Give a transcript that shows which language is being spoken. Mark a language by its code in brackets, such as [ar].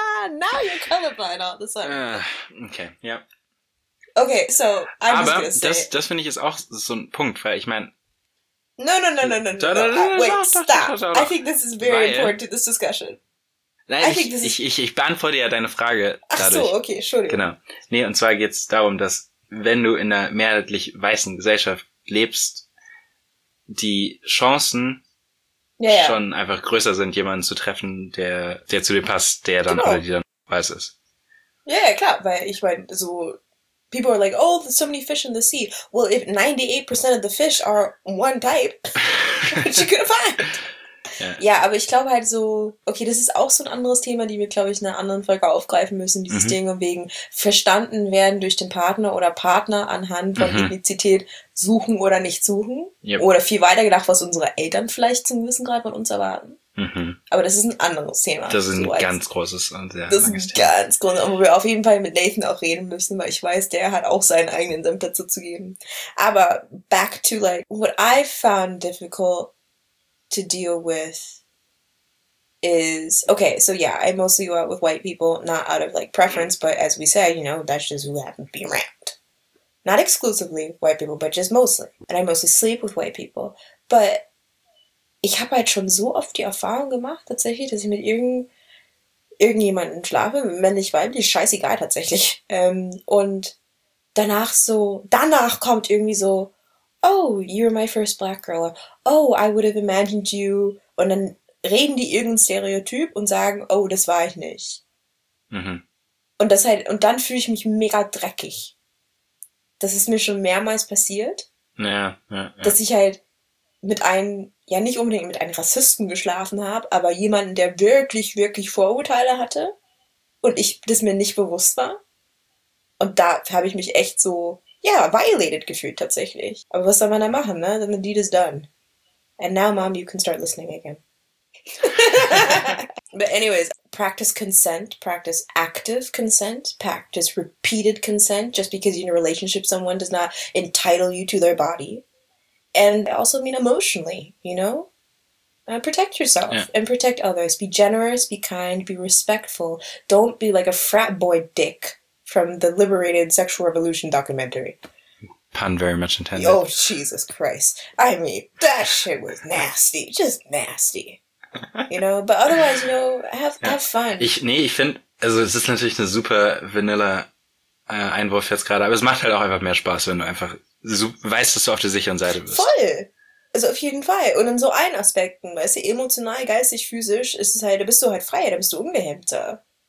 [en] Now you're colorblind all of a sudden. Okay, yep. Okay, so [de] I'm aber [en] just gonna say [de] das finde ich ist auch so ein Punkt, weil ich meine. [en] No. Wait, stop. I think this is very important to this discussion. [de] Nein, ich beantworte ja deine Frage dadurch. Ach so, okay, Entschuldigung. Genau. Nee, und zwar geht's darum, dass wenn du in einer mehrheitlich weißen Gesellschaft lebst, die Chancen schon einfach größer sind, jemanden zu treffen, der zu dir passt, der dann oder die dann weiß ist. Ja, klar, weil ich meine, so people are like, oh, there's so many fish in the sea. Well, if 98% of the fish are one type, which you could find. Ja, aber ich glaube halt so, okay, das ist auch so ein anderes Thema, die wir, glaube ich, in einer anderen Folge aufgreifen müssen, dieses Ding wegen verstanden werden durch den Partner oder Partner anhand von Ethnizität suchen oder nicht suchen. Yep. Oder viel weiter gedacht, was unsere Eltern vielleicht zum Wissen gerade von uns erwarten. Mhm. Aber das ist ein anderes Thema. Das ist ein ganz großes und sehr langes Thema. Das ist ein ganz großes, wo wir auf jeden Fall mit Nathan auch reden müssen, weil ich weiß, der hat auch seinen eigenen Senf dazu zu geben. [en] Aber back to like, what I found difficult to deal with is, okay, so yeah, I mostly go out with white people, not out of like preference, but as we said, you know, that's just who happens to be around. Not exclusively white people, but just mostly. And I mostly sleep with white people. [de] But ich habe halt schon so oft die Erfahrung gemacht, tatsächlich, dass ich mit irgendjemandem schlafe, männlich, weiblich, scheißegal tatsächlich. Und danach kommt irgendwie so, [en] oh, you're my first black girl. Oh, I would have imagined you. [de] Und dann reden die irgendein Stereotyp und sagen, oh, das war ich nicht. Mhm. Und das halt, und dann fühle ich mich mega dreckig. Das ist mir schon mehrmals passiert. Ja, ja, ja. Dass ich halt mit einem, ja nicht unbedingt mit einem Rassisten geschlafen habe, aber jemanden, der wirklich, wirklich Vorurteile hatte und ich das mir nicht bewusst war. Und da habe ich mich echt so, ja, violated gefühlt tatsächlich. Aber was soll man da machen, ne? [en] Then the deed is done. And now, Mom, you can start listening again. But anyways, practice consent, practice active consent, practice repeated consent. Just because you're in a relationship, someone does not entitle you to their body. And I also mean emotionally, you know? Protect yourself and protect others. Be generous, be kind, be respectful. Don't be like a frat boy dick from the Liberated Sexual Revolution documentary. Pun very much intended. Oh, Jesus Christ. I mean, that shit was nasty. Just nasty. You know? But otherwise, you know, have fun. [de] Ich finde, also es ist natürlich eine super Vanilla-Einwurf jetzt gerade, aber es macht halt auch einfach mehr Spaß, wenn du einfach weißt, dass du auf der sicheren Seite bist. Voll! Also auf jeden Fall. Und in so allen Aspekten, weißt du, emotional, geistig, physisch, ist es halt, da bist du halt freier, da bist du ungehemmter.